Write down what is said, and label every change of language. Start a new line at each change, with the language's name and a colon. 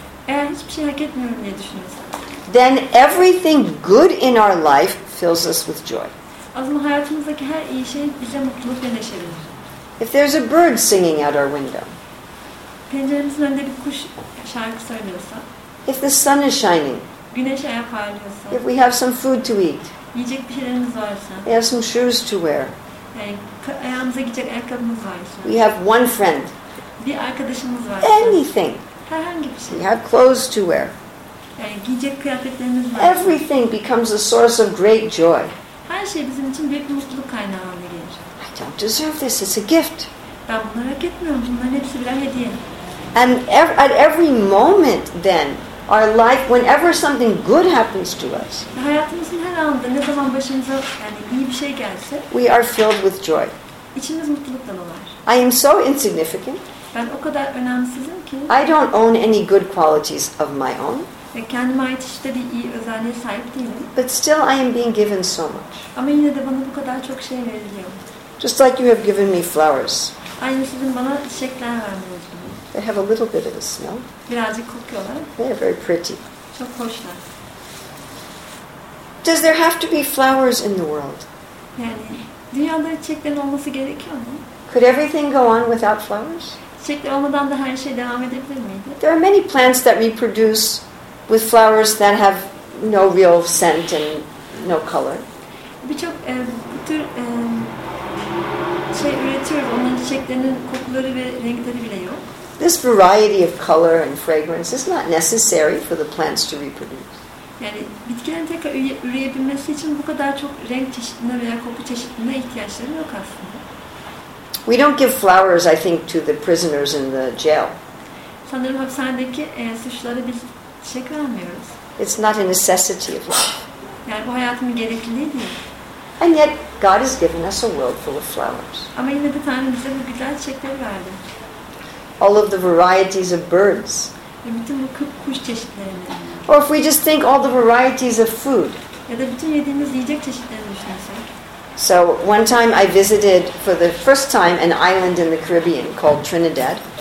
Turkish: eğer hiçbir şey hak etmiyorum diye düşünürsek,
English: then everything good in our life fills us with joy.
Turkish: Aslında hayatımızdaki her iyi şey bize mutluluk ve neşe verir.
English: If there's a bird singing out our window.
Turkish: Penceremizin önünde bir kuş şarkı söylüyorsa.
English: If the sun is shining.
Turkish: Güneş ayak parlıyorsa.
English: If we have some food to eat.
Turkish: Yiyecek bir şeylerimiz varsa.
English: We have some shoes to wear.
Turkish: Ayağımıza giyecek ayakkabımız varsa.
English: We have one friend.
Turkish: Bir arkadaşımız varsa.
English: Anything.
Turkish: Herhangi bir şey.
English: We have clothes to wear.
Turkish: Giyecek kıyafetlerimiz varsa.
English: Everything becomes a source of great joy.
Turkish: Her şey bizim için büyük bir mutluluk kaynağı haline gelir.
English: I don't deserve this. It's a gift.
Turkish: Ben bunları hak etmiyorum. Bunların hepsi birer hediye.
English: And at every moment then, our life, whenever something good happens to us,
Turkish: hayatımızın her anında ne zaman başımıza yani iyi bir şey gelse,
English: we are filled with joy.
Turkish: İçimiz mutlulukla dolar.
English: I am so insignificant.
Turkish: Ben o kadar önemsizim ki,
English: I don't own any good qualities of my own.
Turkish: Ve kendime ait işte bir iyi özelliğe sahip değilim.
English: But still I am being given so much.
Turkish: Ama yine de bana bu kadar çok şey veriliyor.
English: Just like you have given me flowers.
Turkish: Aynı sizin bana çiçekler verdiniz.
English: They have a little bit of a smell.
Turkish: Birazcık kokuyorlar.
English: They are very pretty.
Turkish: Çok hoşlar.
English: Does there have to be flowers in the world?
Turkish: Yani dünyada çiçeklerin olması gerekiyor mu?
English: Could everything go on without flowers?
Turkish: Çiçekler olmadan da her şey devam edebilir miydi?
English: There are many plants that reproduce with flowers that have no real scent and no color.
Turkish: Birçok tür şey üretiyoruz. Onların çiçeklerinin kokuları ve renkleri bile yok.
English: This variety of color and fragrance is not necessary for the plants to reproduce.
Turkish: Yani bitkilerin tekrar üreyebilmesi için bu kadar çok renk çeşitliliğine veya koku çeşitliliğine ihtiyaçları yok aslında.
English: We don't give flowers, I think, to the prisoners in the jail.
Turkish: Sanırım hapishanedeki suçlulara biz çiçek vermiyoruz.
English: It's not a necessity of life.
Turkish: Yani bu hayatın bir gerekliliği değil.
English: And yet, God has given us a world full of flowers.
Turkish: Ama yine de Tanrı bize bu güzel çiçekleri verdi.
English: All of the varieties of birds.
Turkish: Bütün bu kuş çeşitlerini.
English: Or if we just think all the varieties of food.
Turkish: Ya da bütün yediğimiz yiyecek çeşitlerini düşünsek.
English: So one time I visited for the first time an island in the Caribbean called Trinidad.